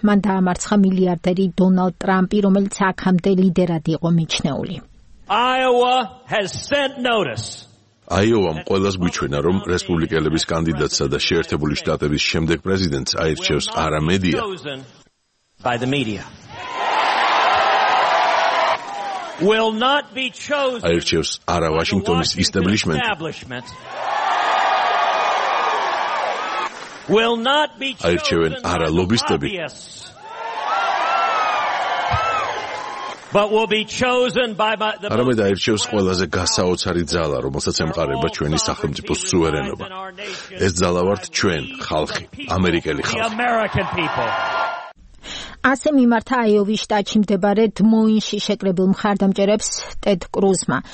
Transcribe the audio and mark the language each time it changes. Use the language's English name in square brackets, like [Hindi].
[Georgian] მან დაამარცხა მილიარდერი დონალდ ტრამპი, რომელიც აქამდე ლიდერად იყო მიჩნეული. აიოვამ ყველას გვიჩვენა, რომ რესპუბლიკელების კანდიდატსა და შეერთებული შტატების შემდეგ პრეზიდენტს აირჩევს არა მედია. [English] By the media will not be chosen [Georgian] აირჩევს არა ვაშინგტონის ისტაბლიშმენტი [English] will not be chosen [Georgian] აირჩევენ არა ლობისტები [English] but will be chosen by the [Georgian] არამედ აირჩევს ყველაზე გასაოცარი ძალა, რომელსაც ემყარება ჩვენი სახელმწიფო სუვერენობა. ეს ძალა ვართ ჩვენ, ხალხი, ამერიკელი ხალხი. ასე მიმართა აიოვის შტატში მდებარე დმოინში შეკრებილ მხარდამჭერებს ტედ კრუსმა.